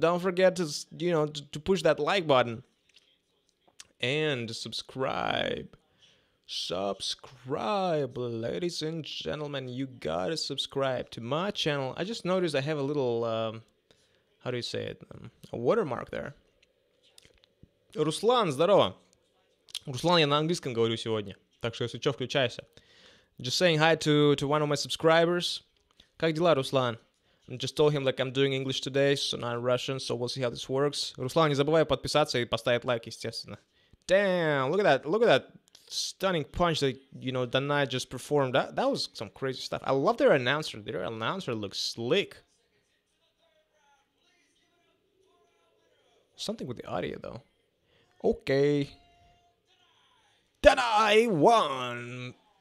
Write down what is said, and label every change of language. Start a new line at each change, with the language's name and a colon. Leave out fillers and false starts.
English: Don't forget to, you know, to push that like button and subscribe. Subscribe, ladies and gentlemen, you gotta subscribe to my channel. I just noticed I have a little how do you say it, a watermark there.
Russian: Руслан, здорово. Руслан, я на английском говорю сегодня, так что если что, включайся.
English: Just saying hi to one of my subscribers.
Russian: Как дела, Руслан?
English: I just told him like I'm doing English today, so not Russian, so we'll see how this works.
Russian: Руслан, не забывай подписаться и поставить лайк, естественно.
English: Damn, look at that stunning punch that, you know, Danai just performed. That was some crazy stuff. I love their announcer. Their announcer looks slick. Something with the audio, though. Okay. Danai won!